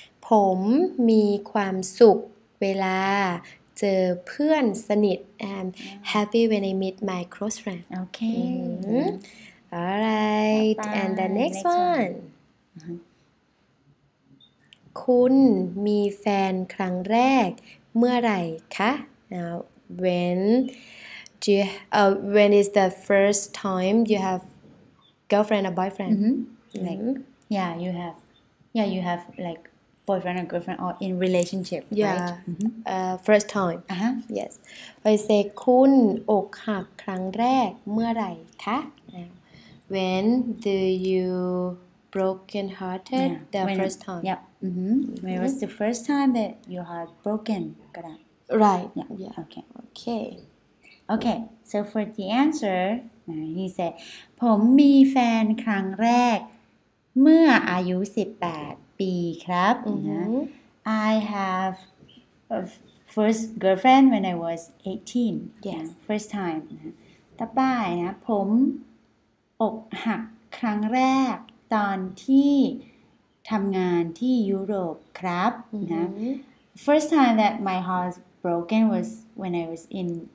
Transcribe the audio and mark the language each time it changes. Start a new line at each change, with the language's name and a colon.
Thai: ผมมีความสุขเวลาเจอเพื่อนสนิท
English: I'm happy when I meet my close friend. Okay. All right. And the next one.
Thai: คุณมีแฟนครั้งแรกเมื่อไรคะ when
English: Do you, when is the first time you have girlfriend or boyfriend? Mm-hmm. Like, mm-hmm. you have like boyfriend or girlfriend or in relationship, yeah. Right? Mm-hmm. First time. Uh-huh. Yes.
Thai: I say, คุณอกหักครั้งแรกเมื่อไหร่คะ?
English: When do you brokenhearted first time? Yeah. Mm-hmm. When was the first time that you had broken? Right. Yeah. Okay. Okay. Okay, so for the answer, he said,
Thai: ผมมีแฟนครั้งแรกเมื่ออายุ18ปีครับ mm-hmm.
English: I have a first girlfriend when I was 18. Yes. First time.
Thai: ต่อไปนะผมอกหักครั้งแรกตอนที่ทำงานที่ยุโรปครับ mm-hmm.
English: First time that my heart broken was when I was in...